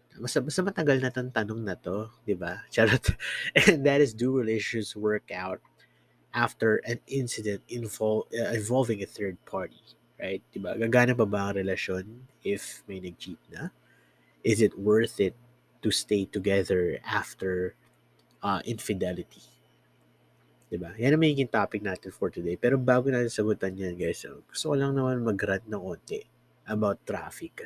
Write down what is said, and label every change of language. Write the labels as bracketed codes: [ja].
[tl] Masa matagal na itong tanong na to, di ba? Charot. [en] And that is, do relationships work out after an incident involving a third party? Right? Di ba? [tl] Gagana pa ba ang relasyon if may nag-cheat na? [en] Is it worth it to stay together after infidelity? Diba? [tl] Yan ang magiging topic natin [en] for today. [tl] Pero bago natin sagutan yan, guys, gusto ko lang naman mag-rant ng onte about traffic.